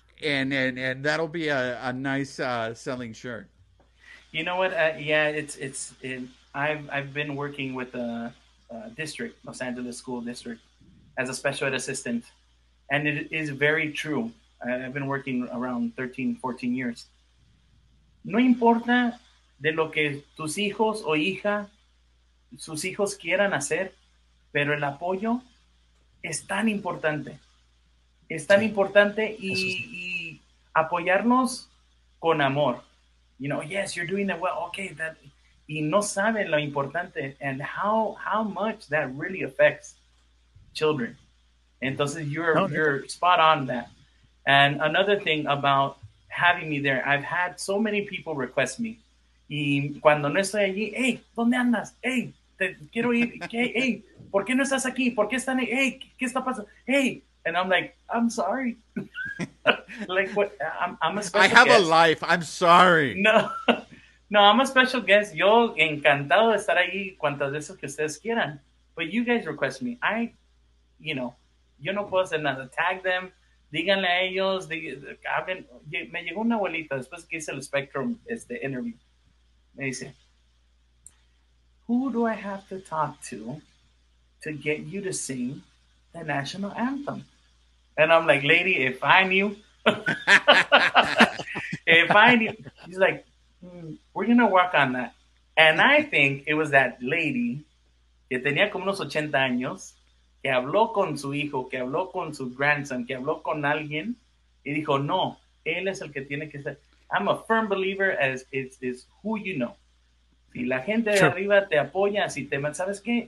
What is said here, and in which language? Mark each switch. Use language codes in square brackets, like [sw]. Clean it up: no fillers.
[en] and that'll be a nice selling shirt. You know what? Yeah, I've been working with a district, Los Angeles School District, as a special ed assistant, and it is very true. I've been working around 13, 14 years. [es] No importa de lo que tus hijos o hija, sus hijos quieran hacer, pero el apoyo es tan importante. Es tan importante Eso es. y apoyarnos con amor. [en] You know, yes, you're doing it well. Okay, that. [es] Y no saben lo importante [en] and how much that really affects children. [es] Entonces, No, neta. [en] you're spot on that. And another thing about having me there, I've had so many people request me. [es] Y cuando no estoy allí, hey, ¿dónde andas? Hey, te quiero ir. ¿Qué? Hey, ¿por qué no estás aquí? ¿Por qué están ahí? Hey, ¿qué está pasando? [en] Hey. And I'm like, I'm sorry. Like, what? I'm a I special have a guest. life. I'm sorry. No, no, I'm a special guest. [es] Yo encantado de estar ahí cuantas veces que ustedes quieran. [en] But you guys request me. [es] Yo no puedo hacer nada. [en] Tag them. [es] Díganle a ellos. Me llegó una abuelita después que hice el Spectrum interview. Me dice, [en] who do I have to talk to get you to sing the national anthem? And I'm like, lady, if I knew, if I knew, she's like, we're gonna work on that. And I think it was that lady [es] que tenía como unos 80 años, que habló con su hijo, que habló con su grandson, que habló con alguien y dijo, no, él es el que tiene que ser. [en] I'm a firm believer as it's who you know. [es] Si la gente de arriba te apoya, si te, ¿sabes qué?